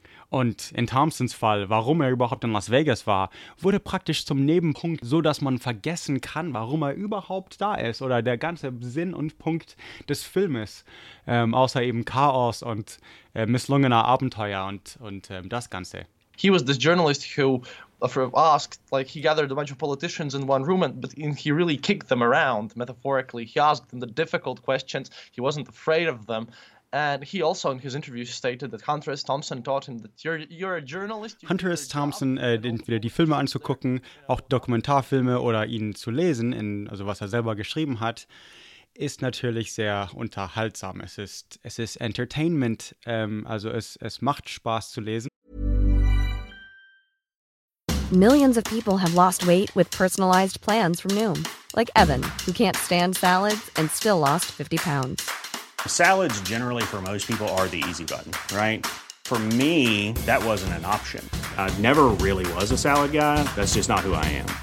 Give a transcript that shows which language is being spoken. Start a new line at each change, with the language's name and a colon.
German: Und in Thompsons Fall, warum er überhaupt in Las Vegas war, wurde praktisch zum Nebenpunkt, so dass man vergessen kann, warum er überhaupt da ist oder der ganze Sinn und Punkt des Filmes, außer eben Chaos und misslungener Abenteuer und das Ganze.
English: He was this journalist who asked, like he gathered a bunch of politicians in one room and he really kicked them around metaphorically. He asked them the difficult questions. He wasn't afraid of them. And he also in his interview stated that Hunter S. Thompson taught him that you're a journalist. Hunter S.
German: Thompson, entweder die Filme anzugucken, auch Dokumentarfilme oder ihn zu lesen, also was er selber geschrieben hat, ist natürlich sehr unterhaltsam. Es ist Entertainment, also es macht Spaß zu lesen.
English: Millions of people have lost weight with personalized plans from Noom, like Evan, who can't stand salads and still lost 50 pounds. Salads, generally, for most people, are the easy button, right? For me, that wasn't an option. I never really was a salad guy. That's just not who I am.